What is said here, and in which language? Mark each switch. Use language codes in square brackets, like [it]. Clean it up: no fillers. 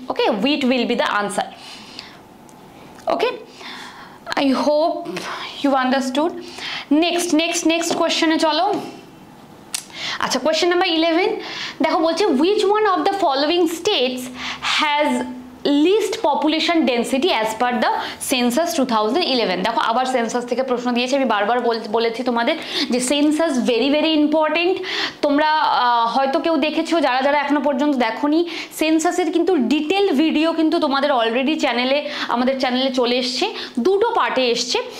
[en] Okay, what will be the answer. Okay, I hope you understood. [bn] Next next next কোয়েশ্চনে চলো। আচ্ছা question number 11, দেখো বলছে [en] Which one of the following states has least population density as per the census 2011. [bn] দেখো আবার census থেকে প্রশ্ন দিয়েছে আমি বারবার বলেছি তোমাদের যে সেনসাস ভেরি ভেরি ইম্পর্টেন্ট তোমরা হয়তো কেউ দেখেছো যারা যারা এখনো পর্যন্ত দেখোনি সেনসাসের কিন্তু ডিটেইল ভিডিও কিন্তু তোমাদের অলরেডি চ্যানেলে আমাদের চ্যানেলে চলে এসেছে দুটো পার্টে এসেছে